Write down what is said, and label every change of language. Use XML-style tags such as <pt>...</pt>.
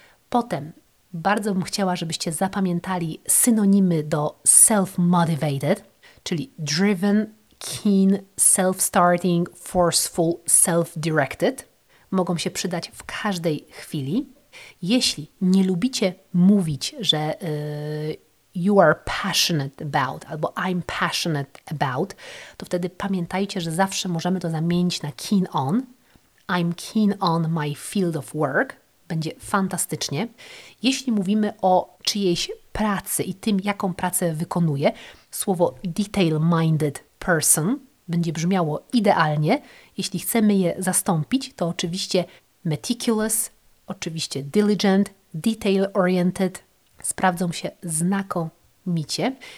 <pl>Potem bardzo bym chciała, żebyście zapamiętali synonimy do self-motivated, czyli driven, keen, self-starting, forceful, self-directed. Mogą się przydać w każdej chwili. Jeśli nie lubicie mówić, że</pl> <en>you are passionate about</en> <pl>albo</pl> <en>I'm passionate about,</en> <pl>to wtedy pamiętajcie, że zawsze możemy to zamienić na keen on.</pl> <en>I'm keen on my field of work.</en> <pl>Będzie fantastycznie. Jeśli mówimy o czyjejś pracy i tym, jaką pracę wykonuje, słowo detail-minded person będzie brzmiało idealnie. Jeśli chcemy je zastąpić, to oczywiście meticulous, oczywiście diligent, detail-oriented sprawdzą się znakomicie.</pl>